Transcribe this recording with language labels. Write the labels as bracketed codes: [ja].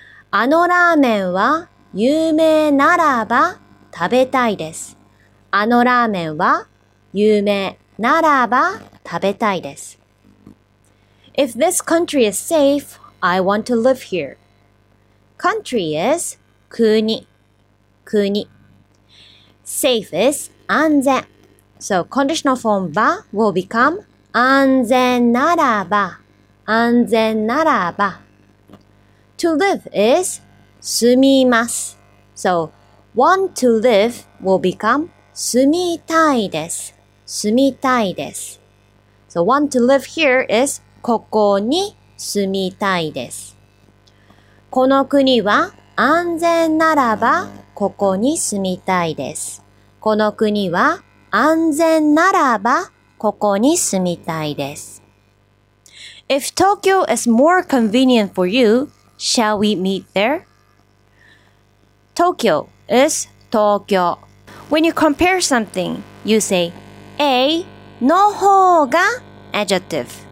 [ja] あのラーメンは有名ならば食べたいです。あのラーメンは有名ならば食べたいです。 [en] If this country is safe, I want to live here. Country is 国、国。 Safe is 安全。So conditional form ば will become [ja] 安全ならば、安全ならば。 [en] To live is 住みます。So want to live will become [ja] 住みたいです。住みたいです。 [en] So want to live here is [ja] ここに住みたいです。この国は安全ならばここに住みたいです。この国は安全ならばここに住みたいです。 [en] If Tokyo is more convenient for you, shall we meet there? Tokyo is 東京。When you compare something, you say A の方が adjective.